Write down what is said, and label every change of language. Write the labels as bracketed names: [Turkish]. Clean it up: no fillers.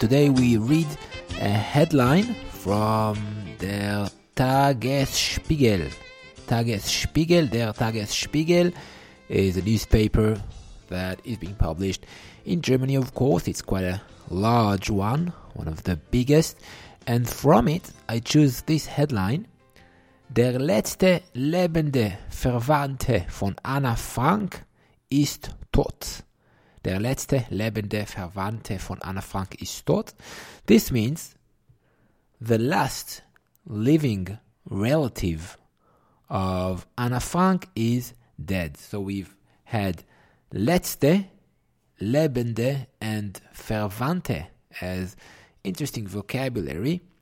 [English] Today we read a headline from Der Tagesspiegel. Tagesspiegel, Der Tagesspiegel is a newspaper that is being published in Germany, of course. It's quite a large one, one of the biggest. And from it, I choose this headline. [German] Der letzte lebende Verwandte von Anna Frank ist tot. Der letzte lebende Verwandte von Anna Frank ist tot. [English] This means the last living relative of Anna Frank is dead. So we've had letzte, lebende, and verwandte as interesting vocabulary.